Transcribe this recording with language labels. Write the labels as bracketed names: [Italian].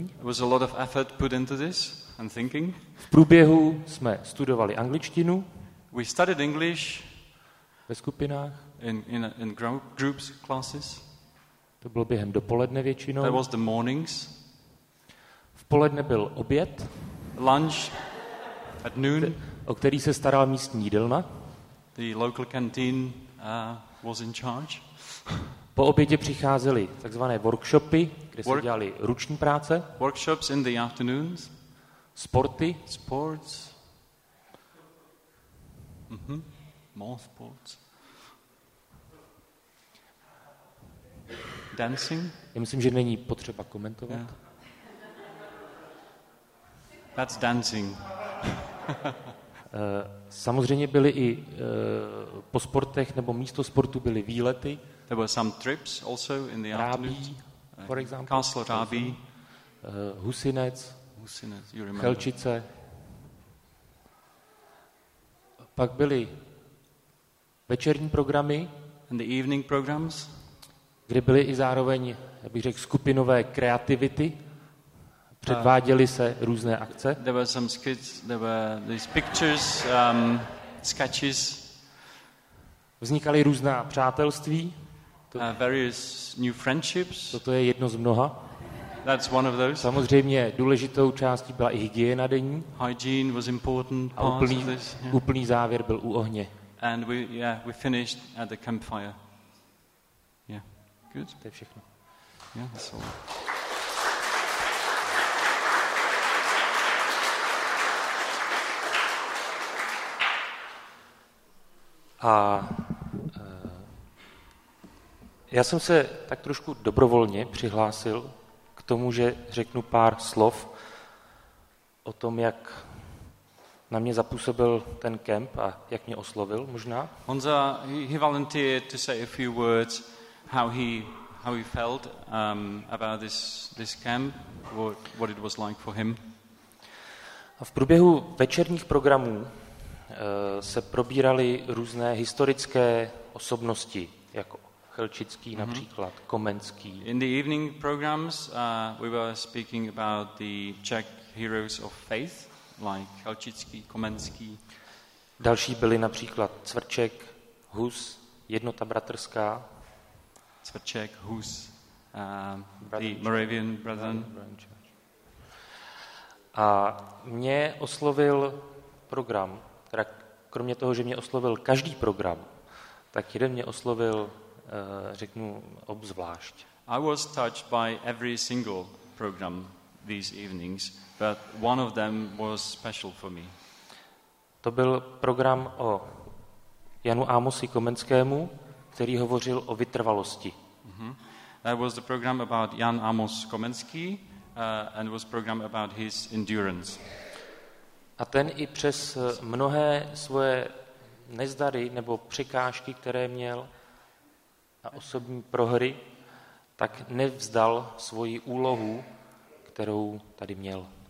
[English] It was a lot of effort put into this and thinking. [Czech] V průběhu jsme studovali angličtinu. [English] We studied English. [Czech] Ve skupinách. [English] In groups, classes. [Czech] To bylo během dopoledne většinou. [English] That was the mornings. [Czech] Poledne byl oběd. [English] Lunch at noon. [Czech] O který se staral místní jídelna. [English] The local canteen was in charge. [Czech] Po obědě přicházely takzvané workshopy, kde se dělali ruční práce. [English] Workshops in the afternoons. [Czech] Sporty. [English] Sports. More sports. Dancing. [Czech] Já myslím, že není potřeba komentovat. [English] Yeah. That's dancing. [Czech] Samozřejmě byly i po sportech nebo místo sportu byly výlety. [English] There were some trips also in the afternoon. Rábí, for example. Castle Rábí. Husinec, you remember. Chelčice. [Czech] Pak byly večerní programy. [English] And the evening programs. [Czech] Kde byly i zároveň, já bych řekl, skupinové kreativity. Předváděly se různé akce. [English] There were some skits, there were these pictures, sketches. [Czech] Vznikaly různá přátelství. [English] Various new friendships. [Czech] Toto je jedno z mnoha. [English] That's one of those. [Czech] Samozřejmě důležitou částí byla i hygiena denní. [English] Hygiene was important part. [Czech] A úplný závěr byl u ohně. [English] And we finished at the campfire. Yeah. Good. [Czech] To je všechno. [English] Yeah, that's all. [Czech] A já jsem se tak trošku dobrovolně přihlásil k tomu, že řeknu pár slov o tom, jak na mě zapůsobil ten kemp a jak mě oslovil možná. [English] Honza, he volunteered to say a few words how he felt about this camp, what it was like for him. [Czech] A v průběhu večerních programů se probíraly různé historické osobnosti, jako Chelčický například, Komenský. [English] In the evening programs we were speaking about the Czech heroes of faith, like Chelčický, Komenský. [Czech] Další byli například Cvrček, Hus, Jednota bratrská. [English] Cvrček, Hus, the Moravian Brethren. [Czech] A mě oslovil program, teda kromě toho, že mě oslovil každý program, tak jeden mě oslovil, řeknu, obzvlášť. [English] I was touched by every single program these evenings, but one of them was special for me. [Czech] To byl program o Janu Amosi Komenskému, který hovořil o vytrvalosti. Mm-hmm. [English] That was the program about Jan Amos Komenský, and was program about his endurance. [Czech] A ten i přes mnohé svoje nezdary nebo překážky, které měl, a osobní prohry, tak nevzdal svoji úlohu, kterou tady měl.